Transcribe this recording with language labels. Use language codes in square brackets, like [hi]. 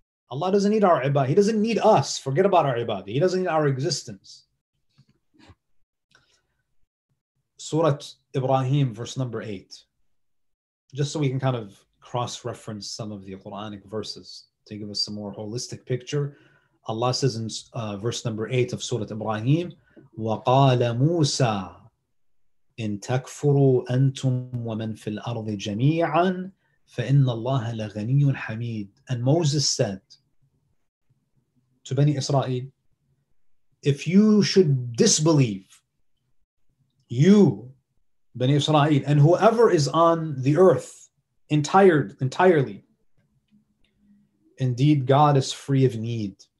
[en] Allah doesn't need our ibadah. He doesn't need us. Forget about our ibadah. He doesn't need our existence. Surah Ibrahim, verse number 8. Just so we can kind of cross-reference some of the Quranic verses to give us a more holistic picture. Allah says in verse number 8 of Surah Ibrahim, [ar] وَقَالَ مُوسَىٰ إِن تَكْفُرُوا أَنْتُمْ وَمَنْ فِي الْأَرْضِ جَمِيعًا فَإِنَّ اللَّهَ لَغَنِيٌّ حَمِيدٌ. [en] And Moses said to Bani Israel, if you should disbelieve, you, Bani Israel, and whoever is on the earth entirely, indeed God is free of need.